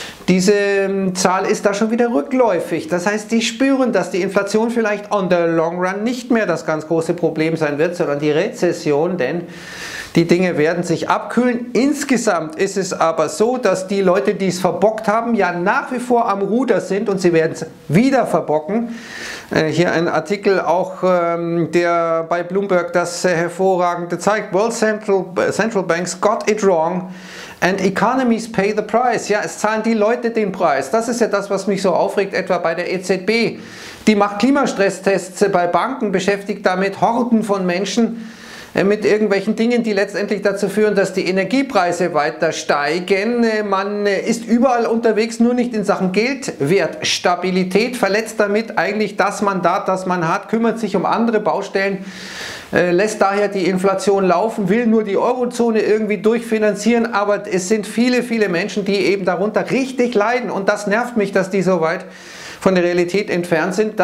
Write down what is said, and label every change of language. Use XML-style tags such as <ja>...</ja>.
<de>diese Zahl ist da schon wieder rückläufig. Das heißt, die spüren, dass die Inflation vielleicht</de> <en>on the long run</en> <de>nicht mehr das ganz große Problem sein wird, sondern die Rezession, denn die Dinge werden sich abkühlen. Insgesamt ist es aber so, dass die Leute, die es verbockt haben, ja nach wie vor am Ruder sind und sie werden es wieder verbocken. Hier ein Artikel auch, der bei Bloomberg das hervorragende zeigt.</de> <en>World Central Banks got it wrong and economies pay the price.</en> <de>Ja, es zahlen die Leute den Preis. Das ist ja das, was mich so aufregt, etwa bei der EZB. Die macht Klimastresstests bei Banken, beschäftigt damit Horden von Menschen mit irgendwelchen Dingen, die letztendlich dazu führen, dass die Energiepreise weiter steigen. Man ist überall unterwegs, nur nicht in Sachen Geldwertstabilität, verletzt damit eigentlich das Mandat, das man hat, kümmert sich um andere Baustellen, lässt daher die Inflation laufen, will nur die Eurozone irgendwie durchfinanzieren, aber es sind viele, viele Menschen, die eben darunter richtig leiden und das nervt mich, dass die so weit von der Realität entfernt sind.</de>